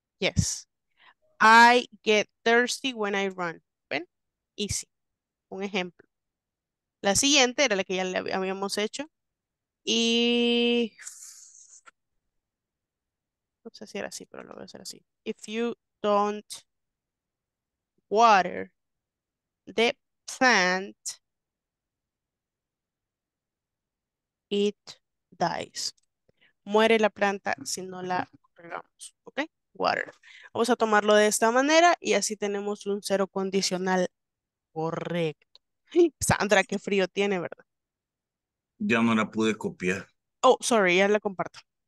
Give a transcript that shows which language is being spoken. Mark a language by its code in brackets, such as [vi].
[en] Yes. I get thirsty when I run. [es] ¿Ven? [en] Easy. [es] Un ejemplo. La siguiente era la que ya le habíamos hecho. Y no sé si era así, pero lo voy a hacer así. [en] If you don't water the plant, it dies. [es] Muere la planta si no la regamos. ¿Ok? Water. Vamos a tomarlo de esta manera y así tenemos un cero condicional correcto. Sandra, qué frío tiene, ¿verdad? Ya no la pude copiar. [en] Oh, sorry, [es] ya la comparto.